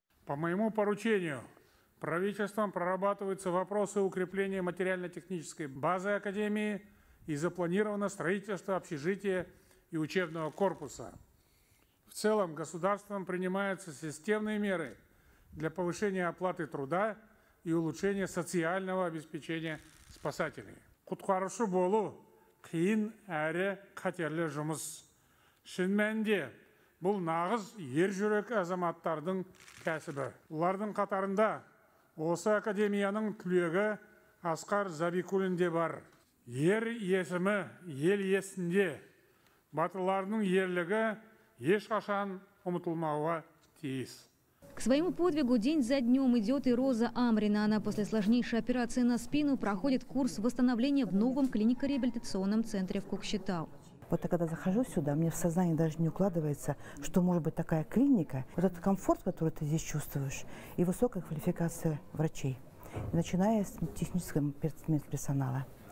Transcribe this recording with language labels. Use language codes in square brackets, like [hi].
[ru] По моему поручению, правительством прорабатываются вопросы укрепления материально-технической базы Академии и запланировано строительство общежития и учебного корпуса. В целом, государством принимаются системные меры для повышения оплаты труда и улучшения социального обеспечения спасателей. [kk] Куткарушы болу кыйын әрі қатерлі жұмыс. Шын мәнінде бұл нағыз ер жүрек азаматтардың кәсібі. Олардың қатарында осы академияның түлегі Асқар Забикулин де бар. Ер есімі ел есінде, батырлардың ерлігі ешқашан ұмытылмауға тиіс. [ru] К своему подвигу день за днем идет и Роза Амрина. Она после сложнейшей операции на спину проходит курс восстановления в новом клинико-реабилитационном центре в Кокшетау. Вот когда захожу сюда, мне в сознание даже не укладывается, что может быть такая клиника. Вот этот комфорт, который ты здесь чувствуешь, и высокая квалификация врачей, начиная с технического персонала.